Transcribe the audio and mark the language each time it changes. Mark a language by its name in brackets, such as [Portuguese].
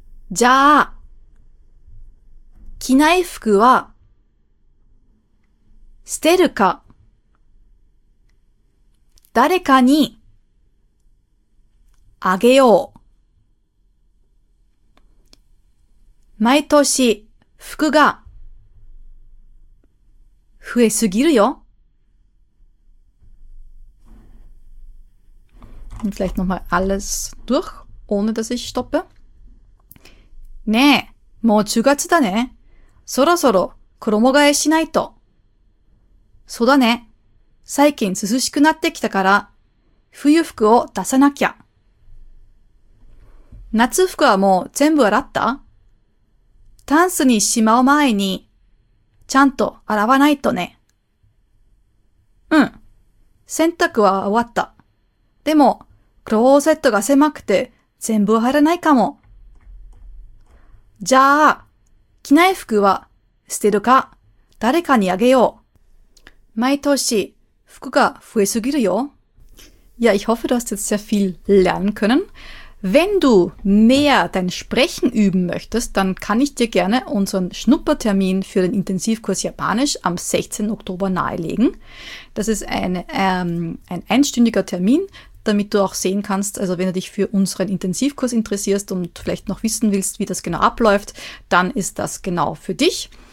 [Japanese] じゃあ、着ない服は、捨てるか、誰かに、あげよう。毎年、服が、増えすぎるよ。 [German] vielleicht nochmal alles durch, ohne dass ich stoppe. [Japanese] ねえ、もう10月だね。そろそろ衣替えしないと。そうだね。最近涼しくなってきたから、冬服を出さなきゃ。夏服はもう全部洗った?タンスにしまう前に、ちゃんと洗わないとね。うん。洗濯は終わった。でも、クローゼットが狭くて全部入らないかも。じゃあ、着ない服は捨てるか、誰かにあげよう。毎年、服が増えすぎるよ。 [German] Ja, ich hoffe, du hast jetzt sehr viel lernen können. Wenn du mehr dein Sprechen üben möchtest, dann kann ich dir gerne unseren Schnuppertermin für den Intensivkurs Japanisch am 16. Oktober nahelegen. Das ist ein einstündiger Termin, damit du auch sehen kannst, also wenn du dich für unseren Intensivkurs interessierst und vielleicht noch wissen willst, wie das genau abläuft, dann ist das genau für dich.